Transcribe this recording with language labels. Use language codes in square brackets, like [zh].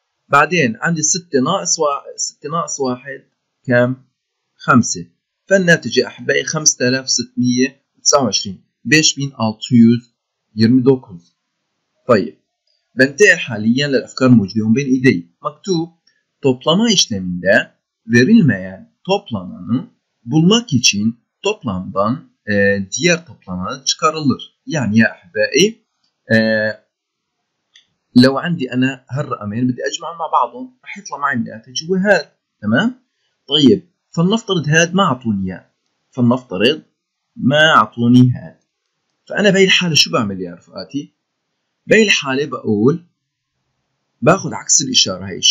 [ar] بعدين عندي 6 ناقص 6 ناقص 1 كام؟ 5. فالناتج يا أحبائي 5629 5629. طيب بنتقل حاليا للأفكار الموجودة بين إيدي. [tr] مكتوب toplama işleminde verilmeyen toplamanın bulmak için toplamdan diğer toplama çıkarılır. [ar] Yani ya ahbabi لو عندي انا هالرقمين بدي اجمع مع بعضهم رح يطلع معي الناتج وهذا. تمام؟ طيب فلنفترض هذا ما اعطوني اياه، فلنفترض ما اعطوني هذا، فانا بهي الحاله شو بعمل يا رفقاتي؟ بهي الحاله بقول باخذ عكس الاشاره هي.